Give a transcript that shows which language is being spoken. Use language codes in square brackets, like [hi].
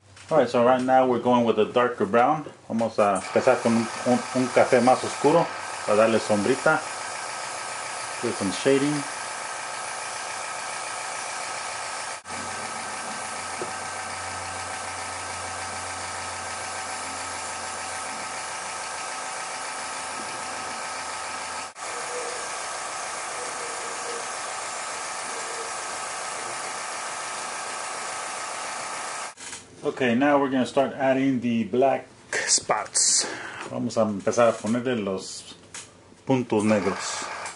[en] Alright, so right now we're going with a darker brown. [es] Vamos a empezar con un café más oscuro para darle sombrita. [en] Get some shading. Okay, now we're going to start adding the black spots. [es] Vamos a empezar a ponerle los puntos negros.